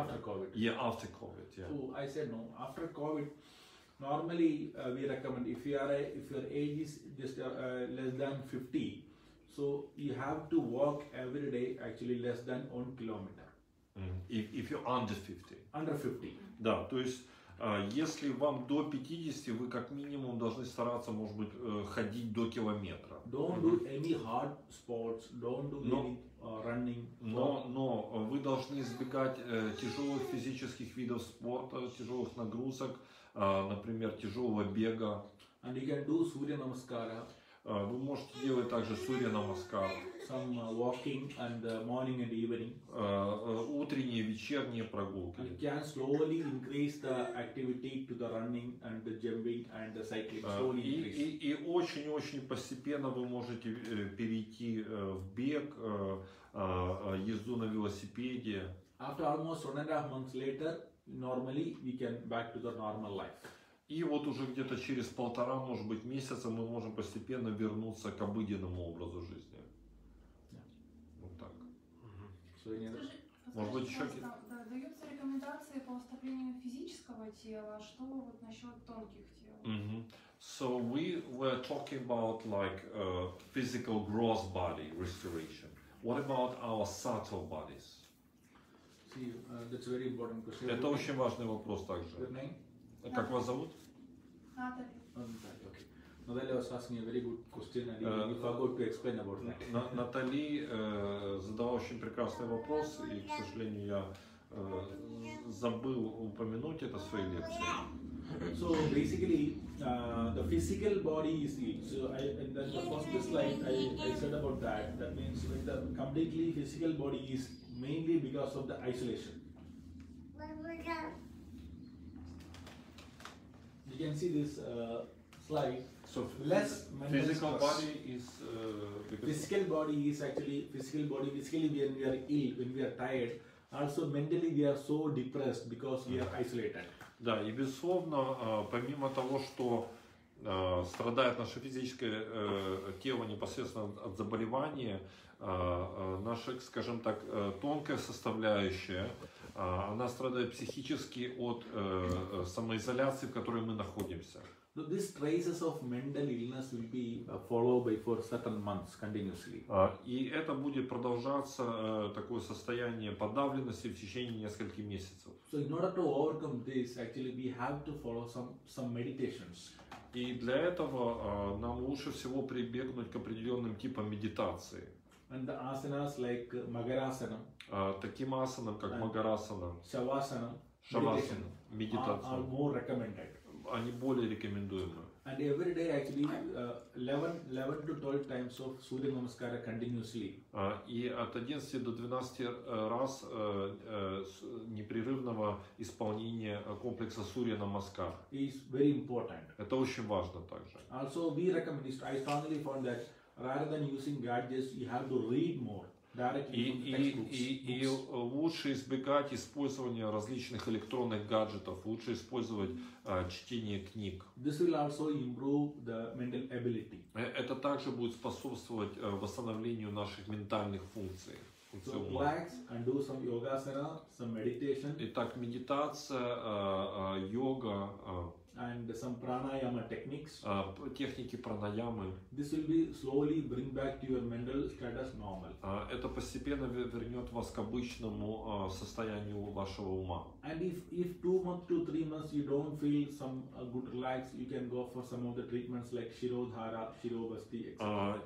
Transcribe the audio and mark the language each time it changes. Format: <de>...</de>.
<en>after COVID. Yeah, after COVID. Yeah. So I said no. After COVID, normally we recommend if your age is just less than 50, so you have to walk every day actually less than 1 kilometer. If you're under 50. Under 50.</en> <ru>Да, то есть если вам до 50, вы как минимум должны стараться, может быть, ходить до километра.</ru> <en>Don't do any hard sports. Don't do any running.</en> <ru>Но вы должны избегать тяжелых физических видов спорта, тяжелых нагрузок, например, тяжелого бега.</ru> <en>And you can do Surya Namaskara.</en> <ru>Вы можете делать также Сурья Намаскар.</ru> <en>Some walking and morning and evening.</en> <ru>Утренние, вечерние прогулки.</ru> <en>And can slowly increase the activity to the running and the jumping and the cycling.</en> <ru>И очень-очень постепенно вы можете перейти в бег, езду на велосипеде.</ru> <en>After almost 1.5 months later, normally we can back to the normal life.</en> <ru>И вот уже где-то через полтора, может быть, месяца мы можем постепенно вернуться к обыденному образу жизни.</ru> <en>Yeah.</en> <ru>Вот так. Может быть, еще какие-то? Даются рекомендации по восстановлению физического тела, что вот насчет тонких тел?</ru> <en>So we were talking about like physical gross body restoration. What about our subtle bodies? See, that's very important question.</en> <ru>Это очень важный вопрос также. Как вас зовут? Наталья.</ru> <en>Наталья was asking a very good question, and you forgot to explain about that.</en> <ru>Натали задала очень прекрасный вопрос, и, к сожалению, я забыл упомянуть это в своей лекции.</ru> <en>So basically, the physical body is ill. So in the first slide, I said about that. That means when the completely physical body is mainly because of the isolation. You can see this slide. So less physical body is physical body is actually physical body. Physically, when we are ill, when we are tired, also mentally we are so depressed because we are isolated.</en> <ru>Да, и безусловно, помимо того, что страдает наше физическое тело непосредственно от заболевания, наша, скажем так, тонкая составляющая, она страдает психически от самоизоляции, в которой мы находимся.</ru> <en>So these traces of mental illness will be followed by for certain months continuously.</en> <ru>И это будет продолжаться такое состояние подавленности в течение нескольких месяцев.</ru> <en>So in order to overcome this, actually we have to follow some meditations.</en> <ru>И для этого нам лучше всего прибегнуть к определенным типам медитации.</ru> <en>And the asanas like Magarasana.</en> <ru>Таким асанам, как Магарасана. Шавасана. Шавасана. Медитация.</ru> <en>Are more recommended.</en> <ru>они более рекомендуемы.</ru> <en>And every day actually 11 to 12 times of Surya Namaskara continuously.</en> <ru>И от 11 до 12 раз непрерывного исполнения комплекса Surya Namaskar.</ru> <en>Is very important.</en> <ru>Это очень важно также.</ru> <en>Also we recommend this. I strongly found that rather than using gadgets, you have to read more.</en> <ru>И лучше избегать использования различных электронных гаджетов, лучше использовать чтение книг.</ru> <en>This will also improve the mental ability.</en> <ru>Это также будет способствовать восстановлению наших ментальных функций.</ru> <en>So relax and do some yoga asana, some meditation.</en> <ru>Итак, медитация, йога.</ru> <en>And some pranayama techniques.</en> <ru>Техники пранаямы.</ru> <en>This will be slowly bring back to your mental status normal.</en> <ru>Это постепенно вернет вас к обычному состоянию вашего ума.</ru> <en>And if 2 months to 3 months you don't feel some good relax, you can go for some of the treatments like Shirodhara, Shirobhasti, etc.</en>